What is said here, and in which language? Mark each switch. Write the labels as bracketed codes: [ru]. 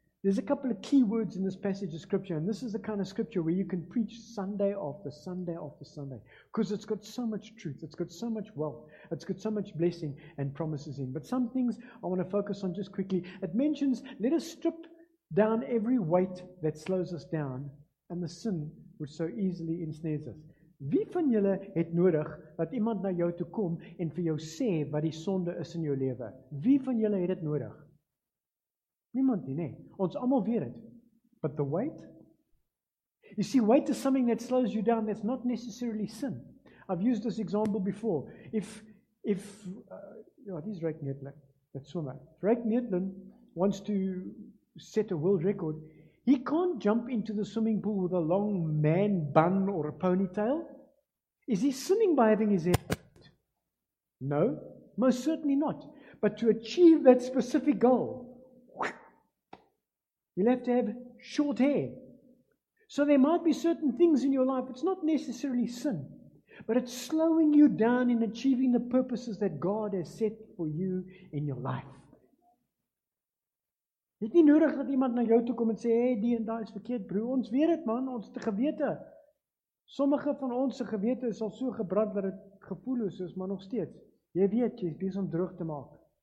[en] There's a couple of key words in this passage of Scripture, and this is the kind of Scripture where you can preach Sunday after Sunday after Sunday, because it's got so much truth, it's got so much wealth, it's got so much blessing and promises in. But some things I want to focus on just quickly. It mentions, let us strip down every weight that slows us down and the sin which so easily ensnares us. [af] Wie van julle het nodig dat iemand na jou toe kom en vir jou sê wat die sonde is in jou lewe? Wie van julle het dit nodig? Niemand nie, nee. Ons almal weet het. [en] But the weight? You see, weight is something that slows you down that's not necessarily sin. I've used this example before. If Drake Maitland, that swimmer. Drake Maitland wants to set a world record. He can't jump into the swimming pool with a long man bun or a ponytail. Is he sinning by having his hair cut? No, most certainly not. But to achieve that specific goal, you'll have to have short hair. So there might be certain things in your life, it's not necessarily sin, but it's slowing you down in achieving the purposes that God has set for you in your life. [af] Het nie nodig dat iemand na jou toe kom en sê, hey, die en daai is verkeerd, broer. Ons weet het, man, ons te gewete. Sommige van ons gewete is al so gebrand dat het gevoelloos is, maar nog steeds. Jy weet, jy is bezig om droog te maak.